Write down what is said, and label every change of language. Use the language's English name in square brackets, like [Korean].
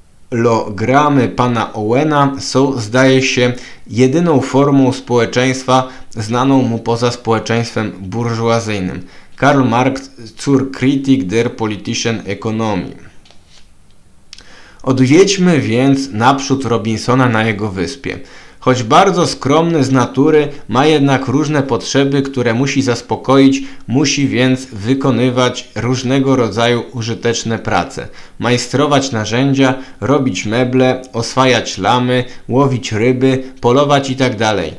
[Polish] Paralelogramy pana Owena są, zdaje się, jedyną formą społeczeństwa znaną mu poza społeczeństwem burżuazyjnym. [German] Karl Marx zur Kritik der politischen Ökonomie. [Polish] Odwiedźmy więc naprzód Robinsona na jego wyspie. Choć bardzo skromny z natury, ma jednak różne potrzeby, które musi zaspokoić, musi więc wykonywać różnego rodzaju użyteczne prace. Majstrować narzędzia, robić meble, oswajać lamy, łowić ryby, polować itd.